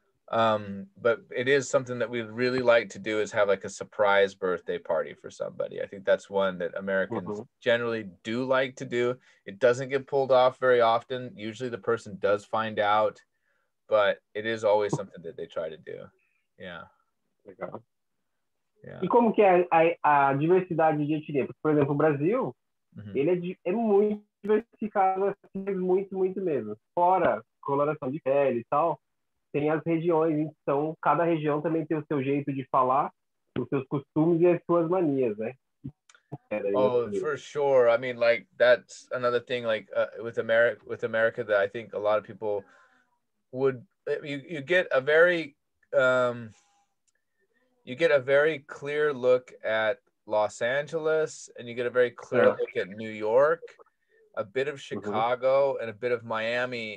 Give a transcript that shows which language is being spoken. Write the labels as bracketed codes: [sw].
[en] But it is something that we'd really like to do, is have like a surprise birthday party for somebody. I think that's one that Americans generally do like to do. It doesn't get pulled off very often. Usually the person does find out, but it is always something that they try to do. Yeah. [pt] Yeah. E como que é a diversidade de etnia? Por exemplo, o Brasil, ele é muito diversificado, assim, muito, muito mesmo. Fora coloração de pele e tal, tem as regiões, então cada região também tem o seu jeito de falar, os seus costumes e as suas manias, né? [en] Oh, for sure. I mean, like, that's another thing, like, with America that I think a lot of people would, you get a very, you get a very clear look at Los Angeles, and you get a very clear look at New York, a bit of Chicago, and a bit of Miami.